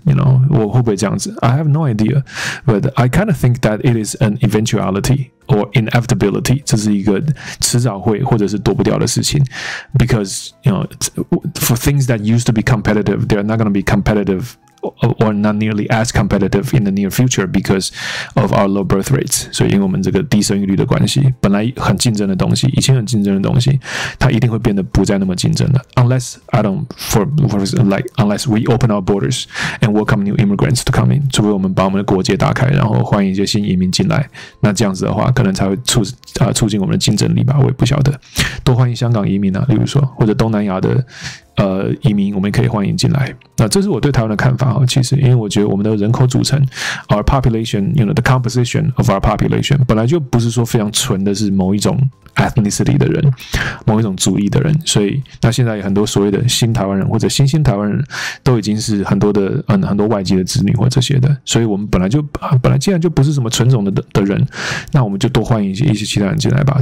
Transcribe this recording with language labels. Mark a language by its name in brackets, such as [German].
[English] You know, [Chinese] 我会不会这样子 [English] ？I have no idea, but I kind of think that it is an eventuality or inevitability. [Chinese] 这是一个迟早会或者是躲不掉的事情 [English] ，because you know for things that used to be competitive, they are not going to be competitive. Or not nearly as competitive in the near future because of our low birth rates. [Chinese] 所以因为我们这个低生育率的关系，本来很竞争的东西，以前很竞争的东西，它一定会变得不再那么竞争了。 [English] Unless I don't for like unless we open our borders and welcome new immigrants to come in. [Chinese] 除非我们把我们的国界打开，然后欢迎一些新移民进来，那这样子的话，可能才会促进我们的竞争力吧。我也不晓得，多欢迎香港移民啊，例如说或者东南亚的。移民我们可以欢迎进来。那这是我对台湾的看法哈，其实因为我觉得我们的人口组成 ， [English] our population， you know the composition of our population， [Chinese] 本来就不是说非常纯的是某一种 ethnicity 的人，某一种族裔的人，所以那现在有很多所谓的新台湾人或者新兴台湾人，都已经是很多的很多外籍的子女或这些的，所以我们本来既然就不是什么纯种的人，那我们就多欢迎一些其他人进来吧。